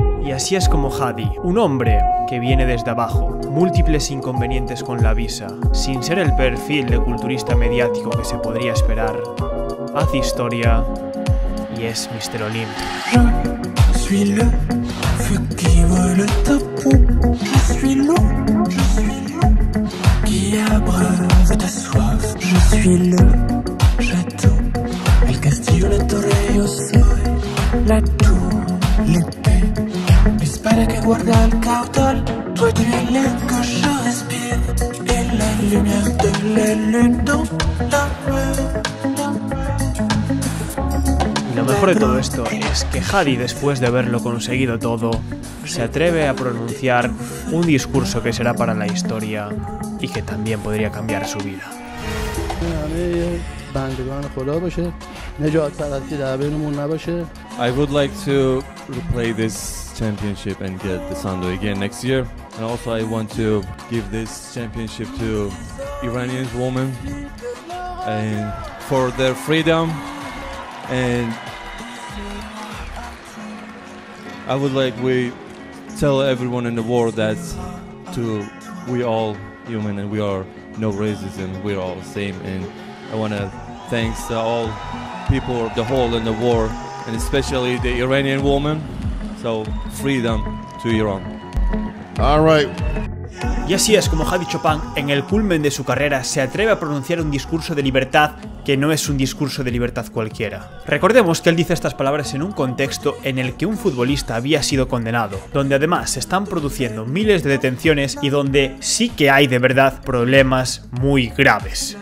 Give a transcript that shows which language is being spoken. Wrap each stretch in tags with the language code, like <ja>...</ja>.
<es>Así es como Hadi, un hombre que viene desde abajo, múltiples inconvenientes con la visa, sin ser el perfil de culturista mediático que se podría esperar, hace historia y es Mr. Olympia.</es> <fr>Je suis le feu qui vole ta peau. Je suis l'eau qui abreuve ta soif. Je suis le château,</fr> <es>el castillo, la torre, yo soy</es> <fr>la tour, l'épée.</fr> <es>L'espada que guarda el caudal,</es> <fr>tu es</fr> <es>el aire que yo respiro, y</es> <fr>la lumière</fr> <es>de la luna en la rue. Lo mejor de todo esto es que Hadi, después de haberlo conseguido todo, se atreve a pronunciar un discurso que será para la historia y que también podría cambiar su vida.</es> <en>I would like to replay this championship and get the Sando again next year. And also I want to give this championship to Iranian women and for their freedom. And I would like we tell everyone in the world that to we all human and we are no racism, we're all the same. And I want to thank all people of the whole in the war, and especially the Iranian woman. So freedom to Iran. All right.</en> <es>Y así es como Javi Chopin, en el culmen de su carrera, se atreve a pronunciar un discurso de libertad que no es un discurso de libertad cualquiera. Recordemos que él dice estas palabras en un contexto en el que un futbolista había sido condenado, donde además se están produciendo miles de detenciones y donde sí que hay de verdad problemas muy graves.</es>